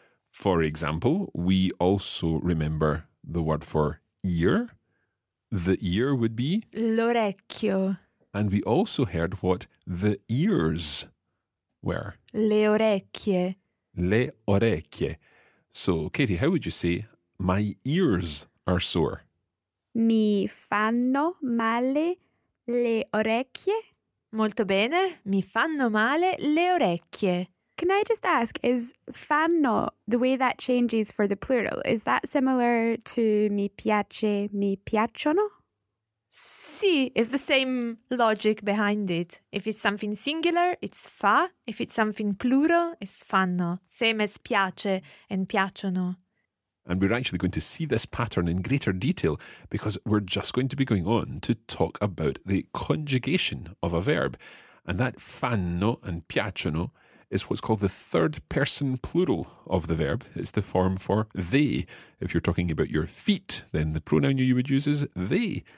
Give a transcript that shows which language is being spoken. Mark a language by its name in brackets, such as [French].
[English] For example, we also remember the word for ear. The ear would be [Italian] l'orecchio. [English] And we also heard what the ears were. [Italian] Le orecchie. Le orecchie. [English] So, Katie, how would you say my ears are sore? [Italian] Mi fanno male le orecchie. Molto bene. Mi fanno male le orecchie. [English] Can I just ask, is fanno, the way that changes for the plural, is that similar to [Italian] mi piace, mi piacciono? [English] Sì, it's the same logic behind it. If it's something singular, it's fa. If it's something plural, it's fanno. Same as piace and piacciono. And we're actually going to see this pattern in greater detail because we're just going to be going on to talk about the conjugation of a verb. And that fanno and piacciono is what's called the third person plural of the verb. It's the form for they. If you're talking about your feet, then the pronoun you would use is they.